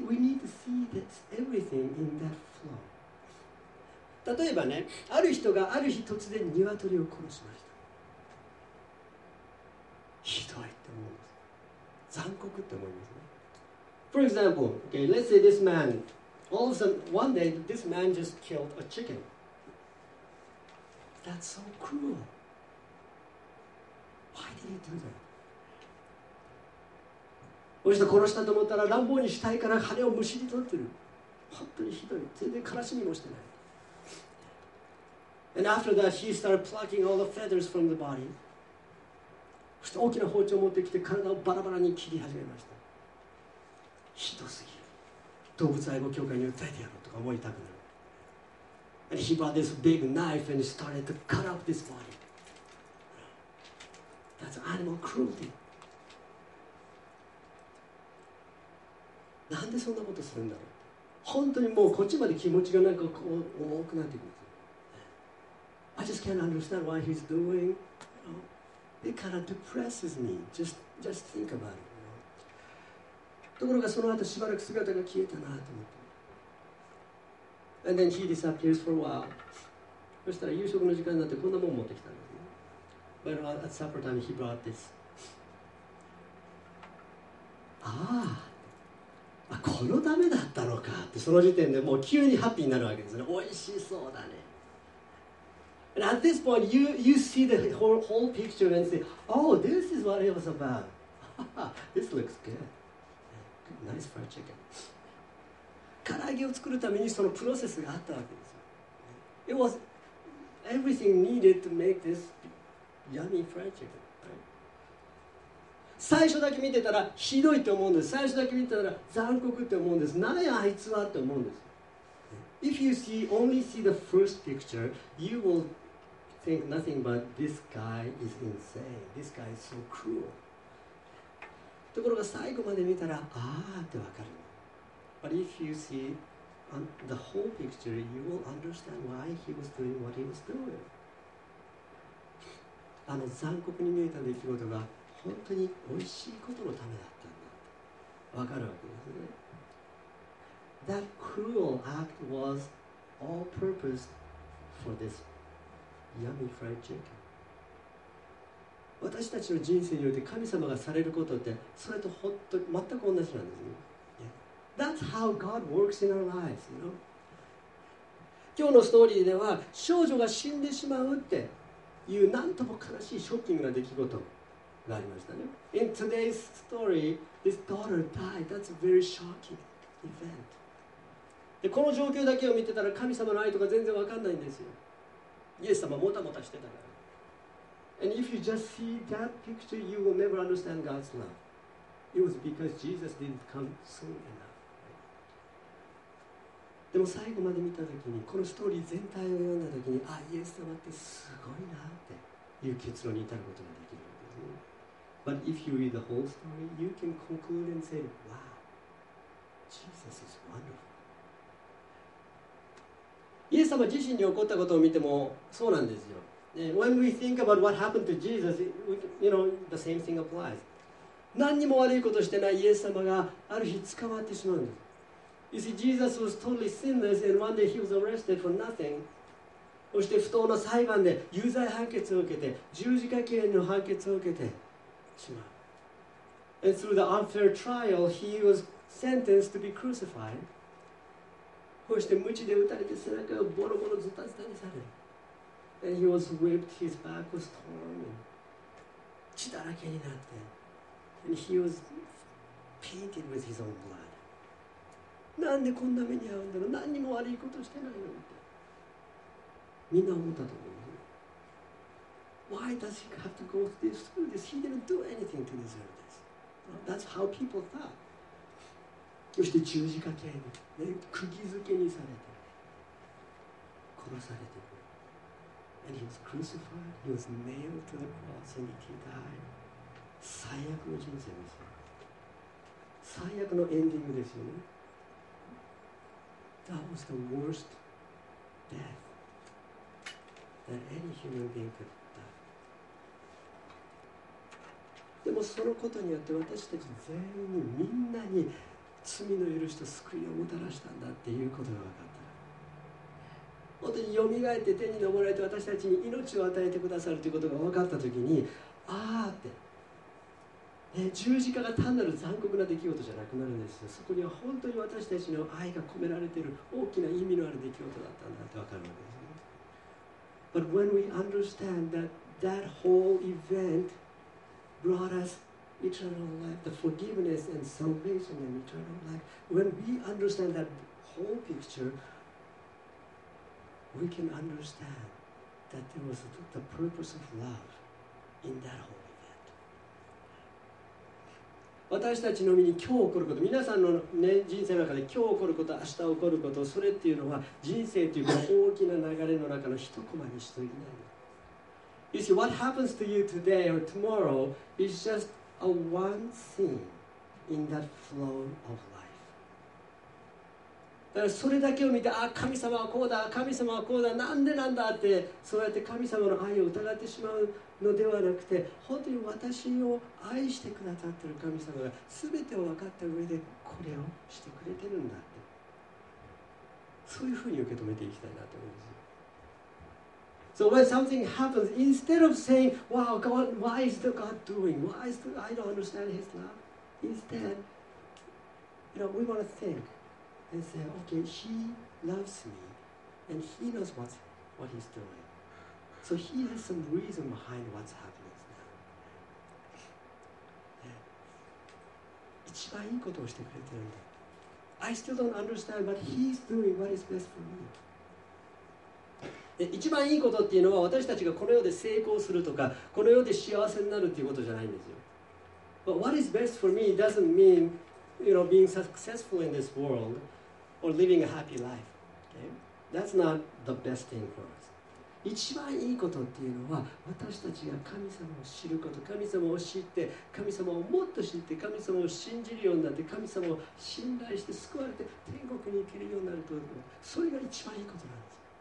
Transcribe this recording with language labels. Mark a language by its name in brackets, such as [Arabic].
[Japanese] よ。 [English] And we need to see that everything in that flow. [Japanese] 例えばね、ある人がある日突然鶏を殺しました。ひどいって思うんです。残酷って思いますね。 [English] For example, okay, let's say this man, all of a sudden, one day, this man just killed a chicken. That's so cruel. Why did he do that? [Japanese] もう一度殺したと思ったら、乱暴に死体から羽をむしり取ってる。本当にひどい。全然悲しみもしてない。 [English] And after that, he started plucking all the feathers from the body. [Japanese] そして大きな包丁を持ってきて、体をバラバラに切り始めました。ひどすぎる。動物愛護協会に訴えてやろうとか思いたくなる。 [English] And he brought this big knife and started to cut up this body. That's animal cruelty. [Japanese] なんでそんなことするんだろう。本当にもうこっちまで気持ちがなんかこう重くなってくるんですよ。 [English] I just can't understand why he's doing, you know, it kind of depresses me. Just think about it, you know. [Japanese] ところがその後しばらく姿が消えたなと思って。 [English] And then he disappears for a while. [Japanese] そしたら夕食の時間になってこんなもん持ってきたんですね。 [English] But at supper time he brought this. [Japanese] あ、このためだったのかって、その時点でもう急にハッピーになるわけですね。美味しそうだね。 [English] And at this point, you see the whole picture and say, oh, this is what it was about. This looks good. Nice fried chicken. [Japanese] 唐揚げを作るためにそのプロセスがあったわけですよ。 [English] It was everything needed to make this yummy fried chicken. [Japanese] 最初だけ見てたらひどいって思うんです。最初だけ見てたら残酷って思うんです。何やあいつはって思うんです。 [English] If you see, only see the first picture, you will think nothing but this guy is insane. This guy is so cruel. [Japanese] ところが最後まで見たら、ああってわかる。 [English] But if you see the whole picture, you will understand why he was doing what he was doing. [Japanese] あの残酷に見えた出来事が本当に美味しいことのためだったんだ。わかるわけですね。 [English] That cruel act was all purpose for this yummy fried chicken. [Japanese] 私たちの人生において神様がされることってそれと本当に全く同じなんですね。 [English] Yeah. That's how God works in our lives, you know? [Japanese] 今日のストーリーでは少女が死んでしまうっていうなんとも悲しいショッキングな出来事。 [English] In today's story, this daughter died. That's a very shocking event. [Japanese] で、この状況だけを見てたら神様の愛とか全然わかんないんですよ。イエス様もたもたしてたから。 [English] And if you just see that picture, you will never understand God's love. It was because Jesus didn't come soon enough. [Japanese] でも最後まで見たときに、このストーリー全体を読んだときに、あ、イエス様ってすごいなっていう結論に至ることができる。 [English] But if you read the whole story, you can conclude and say, "Wow, Jesus is wonderful." [Japanese] イエス様自身に起こったことを見てもそうなんですよ。 [English] When we think about what happened to Jesus, you know, the same thing applies. [Japanese] 何にも悪いことしてないイエス様がある日捕まってしまうんです。 [English] You see, Jesus was totally sinless, and one day he was arrested for nothing. [Japanese] そして不当な裁判で有罪判決を受けて十字架刑の判決を受けてしまう。 [English] And through the unfair trial, he was sentenced to be crucified. [Japanese] そして鞭で打たれて背中をボロボロズタズタにされる。 [English] And he was whipped, his back was torn. [Japanese] 血だらけになって。 [English] And he was painted with his own blood. [Japanese] なんでこんな目に遭うんだろう。何にも悪いことしてないのって。みんな思ったと思う。 [English] Why does he have to go through this? He didn't do anything to deserve this. That's how people thought. [Japanese] そして十字架刑に、ね、釘付けにされて、殺されて、 [English] And he was crucified. He was nailed to the cross and he died. [Japanese] 最悪の人生ですよ。最悪のエンディングですよね。 [English] That was the worst death. That any human being could die. [Japanese] でもそのことによって私たち全員にみんなに罪の許しと救いをもたらしたんだっていうことが分かった。本当によみがえって天に昇られて私たちに命を与えてくださるということが分かったときに、ああって、十字架が単なる残酷な出来事じゃなくなるんですよ。そこには本当に私たちの愛が込められている大きな意味のある出来事だったんだって分かるわけです。 [English] But when we understand that that whole event brought us eternal life, the forgiveness and salvation and eternal life, when we understand that whole picture, we can understand that there was the purpose of love in that whole event. [Japanese] 私たちの身に今日起こること、皆さんの、ね、人生の中で今日起こること、明日起こること、それっていうのは人生という大きな流れの中の一コマにしていない。 [English] You see, what happens to you today or tomorrow is just a one scene in that flow of life. [Japanese] だからそれだけを見て、あ、神様はこうだ、神様はこうだ、なんでなんだって、そうやって神様の愛を疑ってしまうのではなくて、本当に私を愛してくださっている神様が全てを分かった上でこれをしてくれてるんだって、そういうふうに受け止めていきたいなと思うんですよ。 [English] So when something happens, instead of saying, "Wow, God, why is the God doing? Why is the, I don't understand His love?" Instead, you know, we want to think and say, "Okay, He loves me, and He knows what He's doing." So He has some reason behind what's happening now. [Japanese] 一番いいことをしてくれてるんだ。 [English] I still don't understand, but He's doing what is best for me. [Japanese] 一番いいことっていうのは私たちがこの世で成功するとかこの世で幸せになるっていうことじゃないんですよ。 [English] But what is best for me doesn't mean you know being successful in this world or living a happy life. Okay, that's not the best thing for us. [Japanese] 一番いいことっていうのは私たちが神様を知ること、神様を知って、神様をもっと知って、神様を信じるようになって、神様を信頼して救われて天国に行けるようになるということ、それが一番いいことなんです。